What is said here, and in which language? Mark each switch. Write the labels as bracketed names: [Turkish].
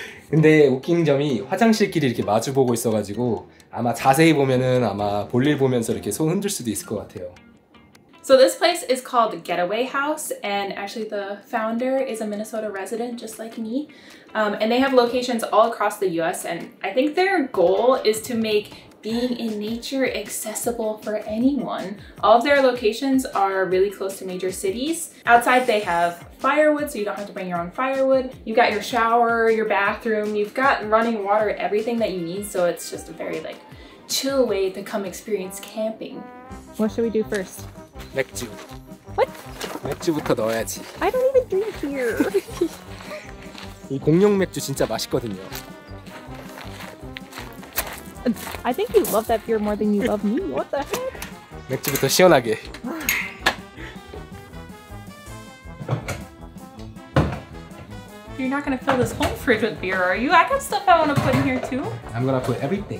[Korean] 근데 웃긴 점이 화장실끼리 이렇게 마주 보고 있어가지고 아마 자세히 보면은 아마 볼일 보면서 이렇게 손 흔들 수도 있을 것 같아요. [English] So this place is called Getaway House, and actually the founder is a Minnesota resident just like me. And they have locations all across the US, and I think their goal is to make being in nature accessible for anyone. All of their locations are really close to major cities. Outside they have firewood, so you don't have to bring your own firewood. You've got your shower, your bathroom, you've got running water, everything that you need, so it's just a very like chill way to come experience camping. What should we do first? [Korean] 맥주. [English] What? [Korean] 맥주부터 넣어야지. [English] I don't even drink here. [Korean] 이 공룡 맥주 진짜 맛있거든요. [English] I think you love that beer more than you love me. What the heck? [Korean] 맥주부터 시원하게. [English] You're not gonna fill this whole fridge with beer, are you? I got stuff I want to put in here too. I'm gonna put everything.